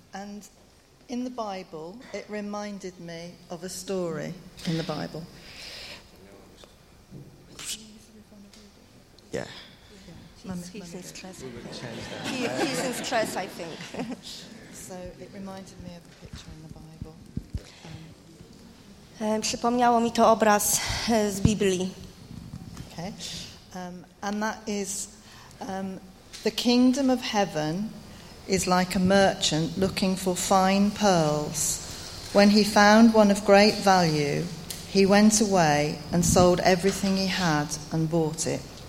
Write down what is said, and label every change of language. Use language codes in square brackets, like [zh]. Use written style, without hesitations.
[en] And in the Bible, it reminded me of a story in the Bible. Yeah. He's in stress, I think. So it reminded me of a picture in the Bible. [pl] Przypomniało mi to obraz z Biblii. [en] Okay. And that is the kingdom of heaven is like a merchant looking for fine pearls. When he found one of great value, he went away and sold everything he had and bought it.